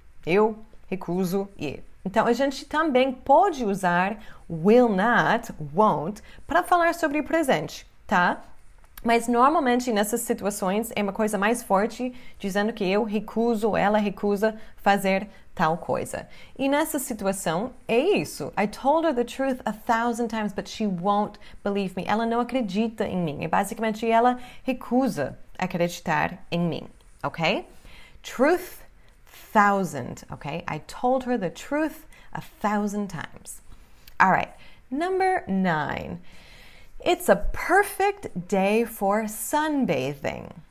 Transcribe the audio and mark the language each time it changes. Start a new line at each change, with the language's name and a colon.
Portuguese: Eu recuso ir. Então, a gente também pode usar
English: will not, won't,
Portuguese: para falar sobre o presente, tá? Mas normalmente nessas situações é uma coisa mais forte dizendo que eu recuso, ela recusa fazer tal coisa. E nessa situação é isso.
English: I told her the truth 1,000 times, but she won't believe me.
Portuguese: Ela não acredita em mim. E basicamente ela recusa acreditar em mim.
English: Ok? Truth 1,000. Ok? I told her the truth 1,000 times. All right. Number 9. It's a perfect day for sunbathing.